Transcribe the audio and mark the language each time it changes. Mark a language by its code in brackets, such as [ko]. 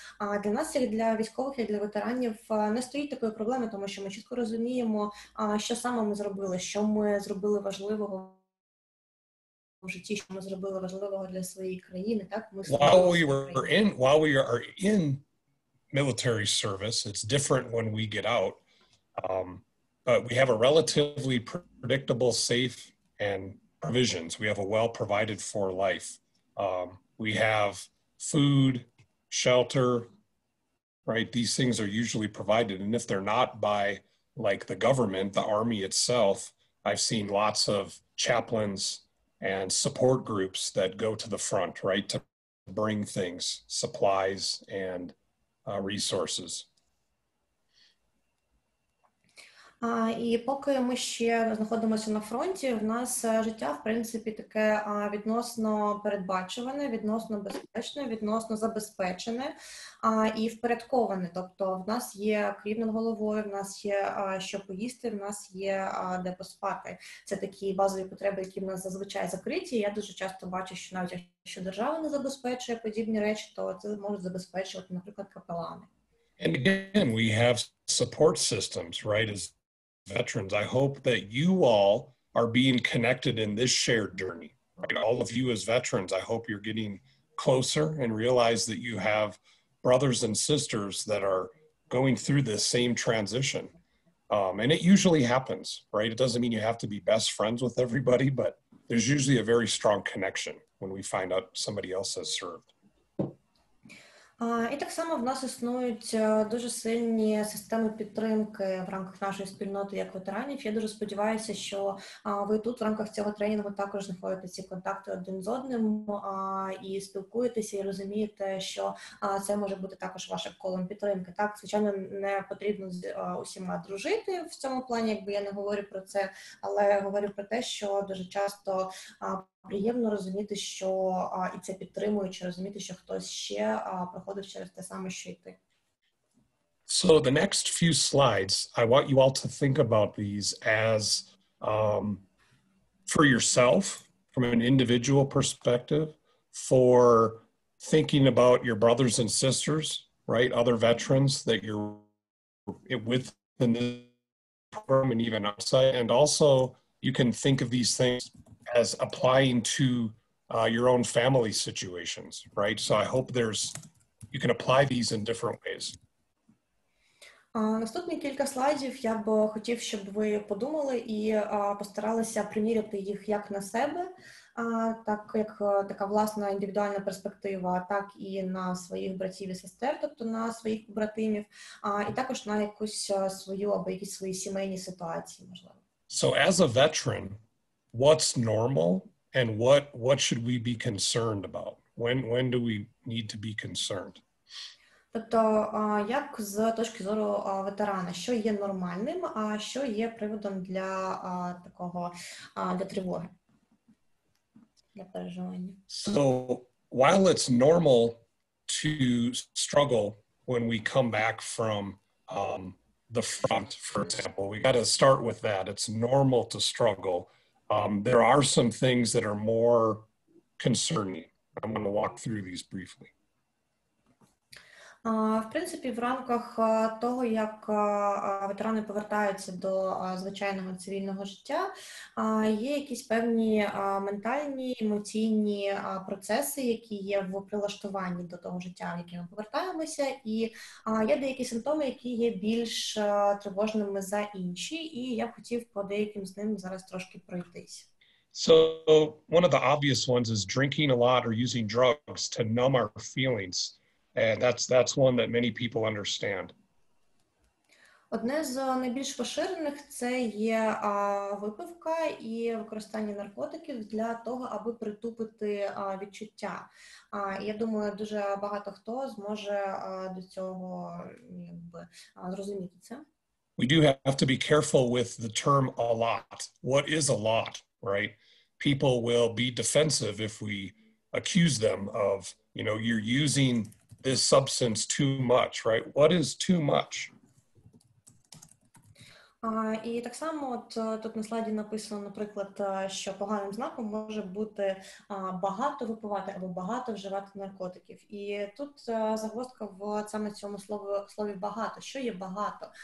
[uk] А для нас, як для військових, як для ветеранів, не стоїть такої проблеми, тому що ми чітко розуміємо, що саме ми зробили, що ми зробили важливого у житті, що ми зробили важливого для своєї країни, так? [en] While we are in military service, it's different when we get out. But we have a relatively predictable, safe and provisions. We have a well provided for life. We have food, shelter, right? These things are usually provided. And if they're not by like the government, the army itself, I've seen lots of chaplains and support groups that go to the front, right, to bring things, supplies and resources. [uk] І поки ми ще знаходимося на фронті, в нас життя, в принципі, таке відносно передбачуване, відносно безпечне, відносно забезпечене і впорядковане. Тобто в нас є крім над головою, в нас є що поїсти, в нас є де поспати. Це такі базові потреби, які в нас зазвичай закриті. Я дуже часто бачу, що навіть якщо держава не забезпечує подібні речі, то це можуть забезпечувати, наприклад, капелани. [en] And again, we have support systems, right? Veterans, I hope that you all are being connected in this shared journey, right? All of you as veterans, I hope you're getting closer and realize that you have brothers and sisters that are going through this same transition. And it usually happens, right? It doesn't mean you have to be best friends with everybody, but there's usually a very strong connection when we find out somebody else has served. [uk] І так само в нас існують дуже сильні системи підтримки в рамках нашої спільноти як ветеранів. Я дуже сподіваюся, що ви тут в рамках цього тренінгу також знаходите ці контакти один з одним і спілкуєтеся, і розумієте, що це може бути також вашим колом підтримки. Так, звичайно, не потрібно з усіма дружити в цьому плані, якби я не говорю про це, але говорю про те, що дуже часто приємно розуміти, що і це підтримуючи, розуміти, що хтось ще проходив через те саме, що й ти. [en] So the next few slides, I want you all to think about these as for yourself, from an individual perspective, for thinking about your brothers and sisters, right? Other veterans that you're with in this program and even outside. And also, you can think of these things as applying to your own family situations, right? So I hope you can apply these in different ways. [uk] Наступні кілька слайдів я б хотів, щоб ви подумали і постаралися примірити їх як на себе, так як така власна індивідуальна перспектива, так і на своїх братів і сестер, тобто на своїх побратимів, і також на якусь свою або якісь свої сімейні ситуації, можливо. [en] So as a veteran, what's normal and what should we be concerned about? When do we need to be concerned? [uk] Тобто, як з точки зору ветерана, що є нормальним, а що є приводом для такого для тривоги, для переживання? [en] So, while it's normal to struggle when we come back from the front, for example, we got to start with that. It's normal to struggle. There are some things that are more concerning. I'm going to walk through these briefly. [uk] В принципі, в рамках того, як ветерани повертаються до звичайного цивільного життя, є якісь певні ментальні, емоційні процеси, які є в прилаштуванні до того життя, в яке ми повертаємося, і є деякі симптоми, які є більш тривожними за інші, і я хотів по деяким з ним зараз трошки пройтись. [en] So, one of the obvious ones is drinking a lot or using drugs to numb our feelings. And that's one that many people understand. [uk] Одне з найбільш поширених – це є випивка і використання наркотиків для того, аби притупити відчуття. Я думаю, дуже багато хто зможе до цього зрозуміти це. [en] We do have to be careful with the term a lot. What is a lot, right? People will be defensive if we accuse them of, you know, you're using this substance too much, right? What is too much? [uk] І так само тут на слайді написано, наприклад, що поганим знаком може бути багато випивати або багато вживати наркотиків. І тут загвоздка в саме цьому слові багато. Що є багато?